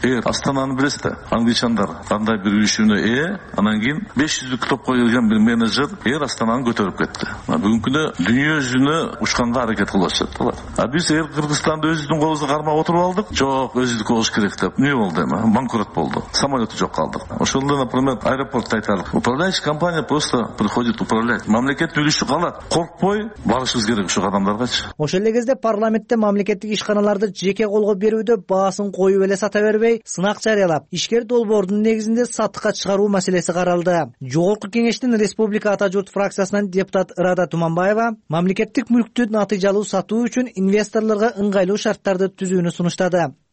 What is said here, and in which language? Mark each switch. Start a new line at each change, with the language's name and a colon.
Kyrgyz: Эгер Астананы билесиз да, англичандар кандай бир үлүшүнө ээ, анан кийин 500-лүк топко келген бир менеджер Эйр Астананы көтөрүп кетти. Бүгүнкү күндө дүйнө жүзүнө учканга аракет кылып жатат алар. А биз Эйр Кыргызстанды өзүбүздүн колубузду кармап отуруп алдык. Жок, өзүбүздүк болуш керек деп. Эмне болду эми? Банкрот болду. Самолету жок калдык. Ошондо,
Russian: например,
Kyrgyz: аэропортту айталык.
Russian: Управляющий компания просто приходит управлять.
Kyrgyz: Мамлекеттин үлүшү калат. Коркпой барышыбыз керек ушул адамдаргачы. Ошол эле кезде парламентте мамлекеттик ишканаларды жеке колго берүүдө баасын коюп эле сата бербей, сынак жарыялап, ишкер долбоордун негизинде сатыкка чыгаруу маселеси каралды. Жогорку кеңештин Республика Ата Журт фракциясынан депутат Ырада Туманбаева мамлекеттик мүлктү натыйжалуу сатуу үчүн инвесторлорго ыңгайлуу шарттарды түзүүнү сунуштады.